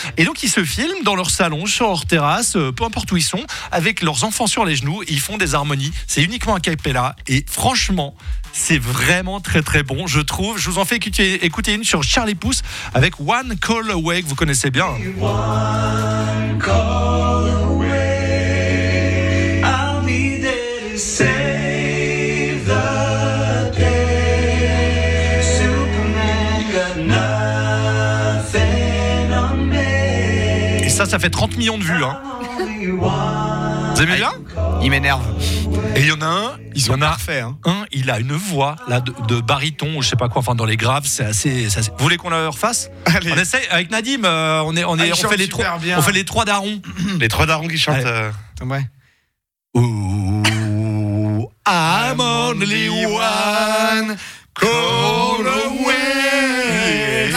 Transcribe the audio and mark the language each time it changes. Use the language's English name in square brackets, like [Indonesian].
[French] Et donc, ils se filment dans leur salon, sur leur terrasse, peu importe où ils sont, avec leurs enfants sur les genoux. Ils font des harmonies. C'est uniquement a cappella. Et franchement, c'est vraiment très très bon, je trouve. Je vous en fais écouter une sur Charlie Puth avec One Call Away, que vous connaissez bien. [English] One call away, I'll be there to save the day. Superman got nothing on me. [French] Et ça fait 30 millions de vues, hein. Vous aimez bien ? Il m'énerve. Et il y en a un, ils ont parfait. Un, il a une voix là de baryton, ou je sais pas quoi, enfin dans les graves, c'est assez. Vous voulez qu'on la refasse ? Allez. On essaye avec Nadim. On fait les trois. Bien. On fait les trois darons. Les trois darons qui chantent. Ouais. [English] Ooh, I'm only one call away.